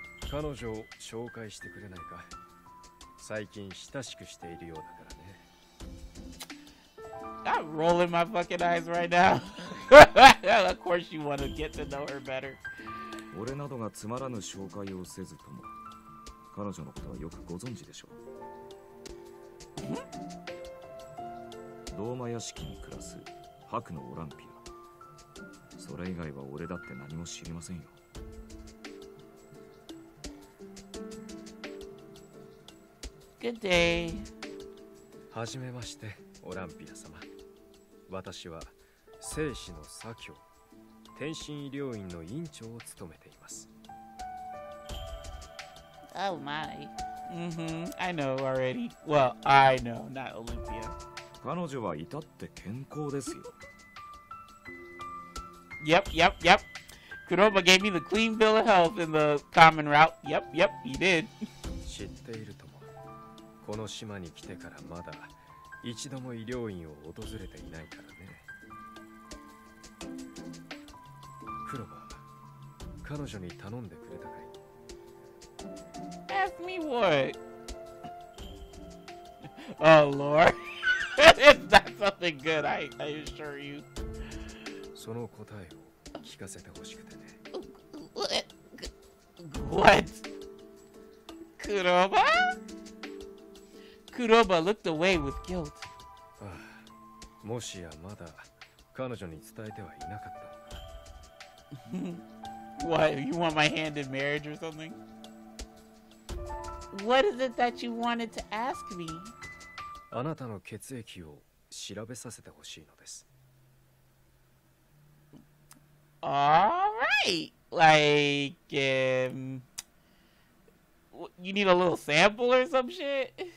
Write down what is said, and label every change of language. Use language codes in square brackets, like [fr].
[ja] 彼女を紹介してくれないか?最近親しくしているようだからね。 [en] I'm rolling my fucking eyes right now. Of course you want to get to know her better. [ja] 俺などがつまらぬ紹介をせずとも、彼女のことはよくご存知でしょう。ローマ屋敷に暮らす白のオランピア。それ以外は俺だって何も知りませんよ。 [en] Good day. [ja] はじめまして、オランピア様。私は聖師の左京、天神医療院の院長を務めています。 [en] Oh my. I know already. Well, I know, not Olympia. [ja] 彼女は至って健康ですよ。 [en] Yep, yep, yep. Kuroba gave me the clean bill of health in the common route. Yep, yep, he did. [ja] 知っていると。この島に来てからまだ一度も医療院を訪れていないからね。クロバ、彼女に頼んでくれたかい? [en] Ask me what? Oh Lord, it's not something good. I assure you. [ja] その答えを聞かせてほしくてね。 [en] What? クロバ?Kuroba looked away with guilt. [ja] もしやまだ彼女に伝えてはいなかったのか? [en] What? You want my hand in marriage or something? What is it that you wanted to ask me? [ja] あなたの血液を調べさせてほしいのです。 [en] All right. Like, you need a little sample or some shit?